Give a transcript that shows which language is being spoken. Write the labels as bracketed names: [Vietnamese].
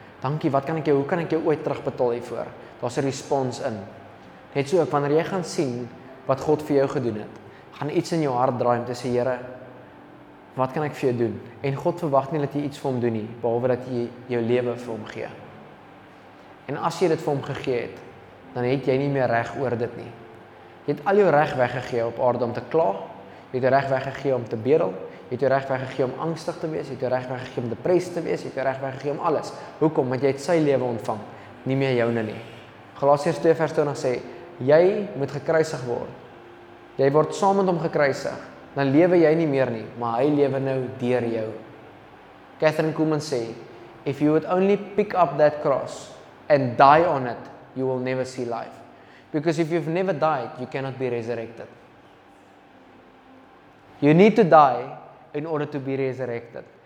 [Afrikaans] Dankie, wat kan ek jou, hoe kan ek jou ooit terugbetaal hiervoor?" Daar's 'n respons in. Net so ook wanneer jy gaan sien wat God vir jou gedoen het, gaan iets in jou hart draai om te sê, "Here, wat kan ek vir jou doen?" En God verwag nie dat jy iets vir hom doen nie, behalwe dat jy jou lewe vir hom gee. En as jy dit vir hom gegee het, dan het jy nie meer reg oor dit nie. Jy het al jou reg weggegee op aarde om te kla. Jy het jou reg weggegee om te bedel. Jy het jou reg weggegee om angstig te wees. Jy het jou reg weggegee om depressief te wees. Jy het jou reg weggegee om alles. Hoekom? Want jy het sy lewe ontvang, nie meer joune nie. Galasiërs 2:20 sê, jy moet gekruisig word. Jy word saam met hom gekruisig. Dan lewe jy nie meer nie, maar hy lewe nou deur jou. Catherine Kuhlman sê, [English] If you would only pick up that cross and die on it, you will never see life. Because if you've never died, you cannot be resurrected. You need to die in order to be resurrected.